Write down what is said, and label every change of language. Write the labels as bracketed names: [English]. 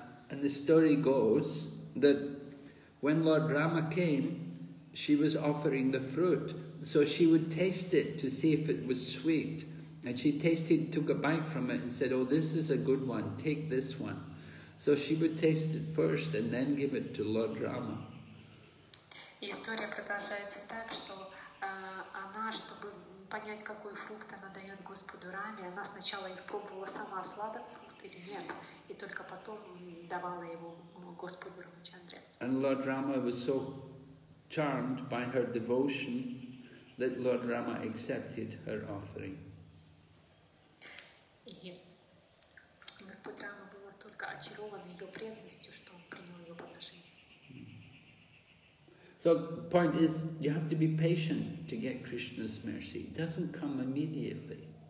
[English] And the story goes that when Lord Rama came, she was offering the fruit, so she would taste it to see if it was sweet. And she tasted, took a bite from it and said, oh, this is a good one, take this one. So she would taste it first and then give it to Lord Rama. [Russian] История продолжается так, что она, чтобы понять, какой фрукт она дает Господу Раме, она сначала их пробовала сама, сладок фрукт или нет, и только потом давала его Господу Рамачандре. [English] And Lord Rama was so charmed by her devotion that Lord Rama accepted her offering. [Russian] И Господь Рама был настолько очарован ее преданностью, что он принял ее подношение. [English] So point is, you have to be patient to get Krishna's mercy. It doesn't come immediately.